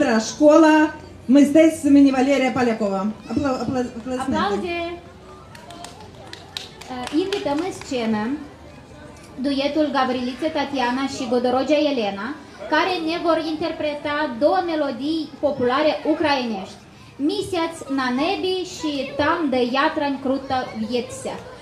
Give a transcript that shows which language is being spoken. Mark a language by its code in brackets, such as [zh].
[uk] Школа мистецтв імені Валерія Полякова. Аплодисменти. [ro] Invităm în scenă duetul Gavrilițe Tatiana și Godorogea Elena, care ne vor interpreta două melodii populare ucrainești. [uk] Місяць на небі [ro] și [uk] Там, де ятрань круто в'ється.